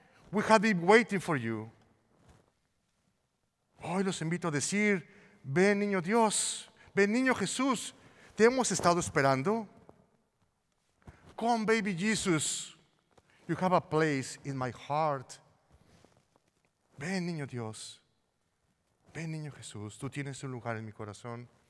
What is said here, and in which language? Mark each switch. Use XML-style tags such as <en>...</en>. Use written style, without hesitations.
<en>We have been waiting for you.</en> <es>Hoy los invito a decir, ven, niño Dios, ven, niño Jesús, te hemos estado esperando.</es> <en>Come, baby Jesus, you have a place in my heart.</en> <es>Ven, niño Dios, ven, niño Jesús, tú tienes un lugar en mi corazón.</es>